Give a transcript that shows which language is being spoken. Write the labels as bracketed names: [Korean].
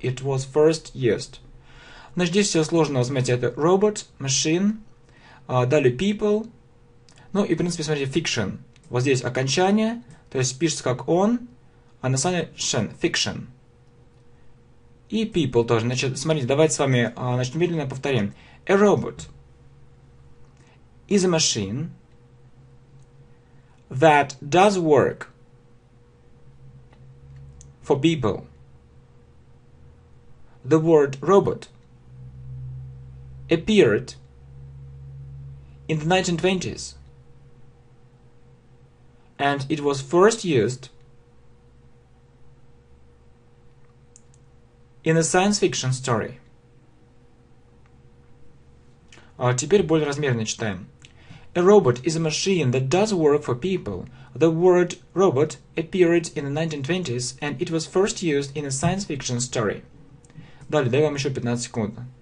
[English] It was first used. [Russian] Значит, здесь все сложно, возьмите, это robot, machine, далее people, ну и, в принципе, смотрите, fiction. Вот здесь окончание. То есть пишется как он, а на самом деле shen, fiction. И people тоже. Значит, смотрите, давайте с вами начнем медленно повторим. [English] A robot is a machine that does work for people. The word robot appeared in the 1920s. And it was first used in a science fiction story. [Russian] Теперь более размеренно читаем. [English] A robot is a machine that does work for people. The word robot appeared in the 1920s, and it was first used in a science fiction story. [Russian] Далее, дай вам еще 15 секунд.